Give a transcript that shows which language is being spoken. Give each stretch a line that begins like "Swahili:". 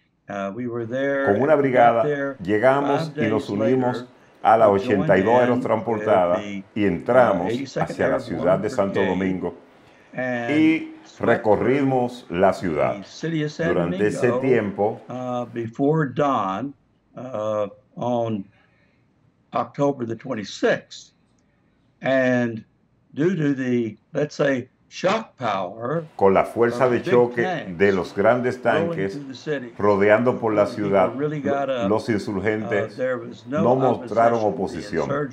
Spanish: Con una brigada llegamos y nos unimos a la 82 aerotransportada y entramos hacia la ciudad de Santo Domingo y recorrimos la ciudad. Durante ese tiempo,
English: before dawn, on October the 26th, and due to the, let's say, shock power,
Spanish: con la fuerza de choque de los grandes tanques rodeando por la ciudad, los insurgentes no mostraron oposición.